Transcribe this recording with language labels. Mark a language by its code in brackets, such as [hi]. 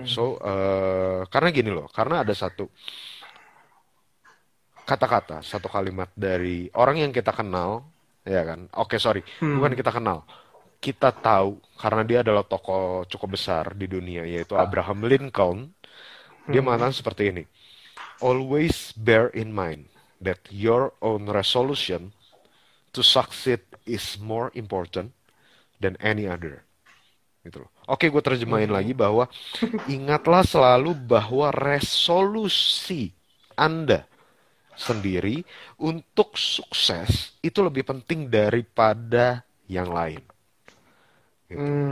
[id] So, karena gini loh, karena ada satu kata-kata, satu kalimat dari orang yang kita kenal, ya kan? Oke, sorry, bukan kita kenal. Kita tahu karena dia adalah tokoh cukup besar di dunia, yaitu Abraham Lincoln. Dia mengatakan seperti ini: [en] "Always bear in mind that your own resolution to succeed is more important than any other." [id] Gitu loh. Oke, gue terjemahin lagi bahwa ingatlah selalu bahwa resolusi Anda sendiri untuk sukses itu lebih penting daripada yang lain. Gitu.